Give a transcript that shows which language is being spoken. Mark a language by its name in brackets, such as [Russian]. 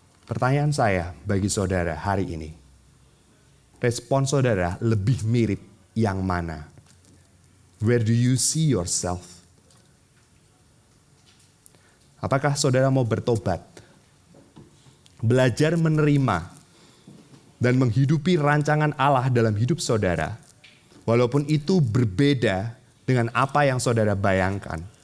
[Indonesian] Pertanyaan saya bagi saudara hari ini, respon saudara lebih mirip yang mana? [English] Where do you see yourself? [Indonesian] Apakah saudara mau bertobat? Belajar menerima dan menghidupi rancangan Allah dalam hidup saudara, walaupun itu berbeda dengan apa yang saudara bayangkan?